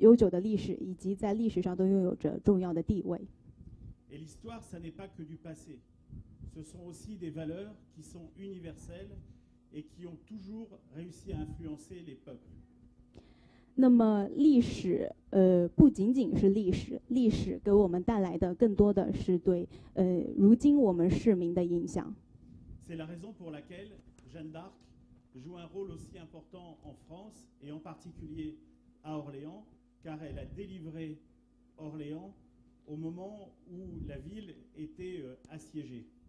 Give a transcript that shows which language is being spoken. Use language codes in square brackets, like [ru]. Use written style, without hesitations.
[zh] 这一个礼物，是与水相关的一件礼物，但同时两座城市也都是历史悠久的城市，扬州和奥尔良市在各自国家都拥有着悠久的历史，以及在历史上都拥有着重要的地位。 [fr] Et l'histoire, ça n'est pas que du passé. Ce sont aussi des valeurs qui sont universelles et qui ont toujours réussi à influencer les peuples. [zh] 那么历史不仅仅是历史，历史给我们带来的更多的是对如今我们市民的影响。 [fr] C'est la raison pour laquelle Jeanne d'Arc joue un rôle aussi important en France et en particulier à Orléans, car elle a délivré Orléans au moment où la ville était assiégée.